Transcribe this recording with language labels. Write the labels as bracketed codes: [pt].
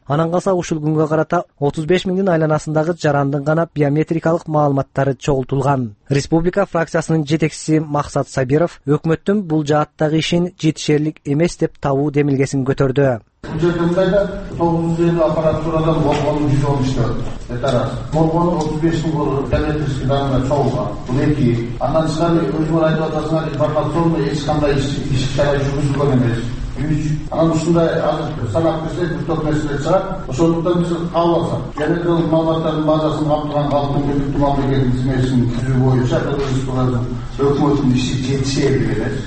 [ky] Анан калса ушул күнгө карата 35 000 айланасындагы жарандын гана биометрикалык маалыматтары чогултулган. Республика фракциясынын жетекчиси Максат Сабиров өкмөттүн бул жааттагы ишин жетишерлик эмес деп табуу демилгесин көтөрдү. Бул жерде мындай да 950 аппаратурадан борбонун 110 иштеп жатат. [ru] Это раз. [ky] Борбон 35 000 [ru] биометрический данный [ky] чогулган. Бул эки. Андан тышкары өзүңөр айтып атасыңар, [ru] информационный [ky] эч кандай иш чара жүргүзүлгөн эмес. Үч. Анан ушундай азыр санап берсек 4 нерсе чыгат. Ошондуктан биз кабыл алсак биометрикалык маалыматтардын базасын камтыган калктын мүлктүк мамлекеттин тизмесин түзүү боюнча республикадан өкмөттүн иши жетишерлик эмес.